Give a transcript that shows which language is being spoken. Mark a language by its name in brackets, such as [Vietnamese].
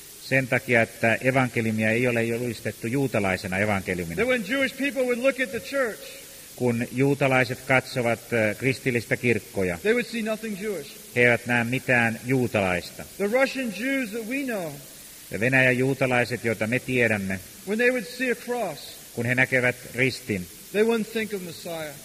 [Finnish] Sen takia, että evankeliumia ei ole julistettu juutalaisena evankeliumina. [English] That when Jewish people would look at the church, [Finnish] kun juutalaiset katsovat kristillistä kirkkoja, [English] they would see nothing Jewish. [Finnish] He eivät näe mitään juutalaista. [English] The Russian Jews that we know, [Finnish] ja Venäjän juutalaiset, joita me tiedämme, [English] when they would see a cross, [Finnish] kun he näkevät ristin, [English] they wouldn't think of Messiah.